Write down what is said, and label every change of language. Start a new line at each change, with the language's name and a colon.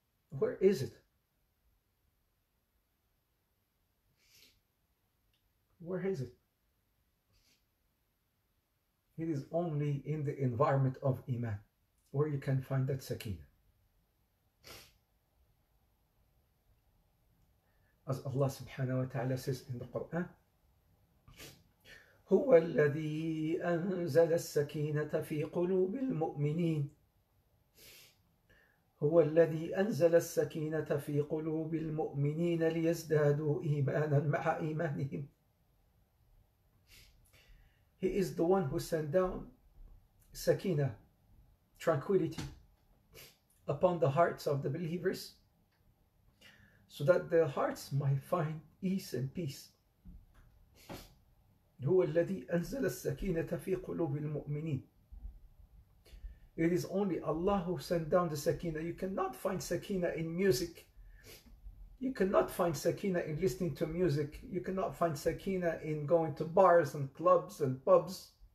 English: Where is it? Where is it? It is only in the environment of Iman where you can find that sakina. As Allah subhanahu wa ta'ala says in the Quran,
Arabic: هو الذي أنزل السكينة في قلوب المؤمنين هو الذي أنزل السكينة في قلوب المؤمنين ليزدادوا إيمانا مع إيمانهم.
English: He is the one who sent down sakina, tranquility, upon the hearts of the believers, so that the hearts might find ease and peace.
Arabic: هو الذي أنزل السكينة في قلوب المؤمنين.
English: It is only Allah who sent down the sakina. You cannot find sakina in music. You cannot find sakina in listening to music. You cannot find sakina in going to bars and clubs and pubs.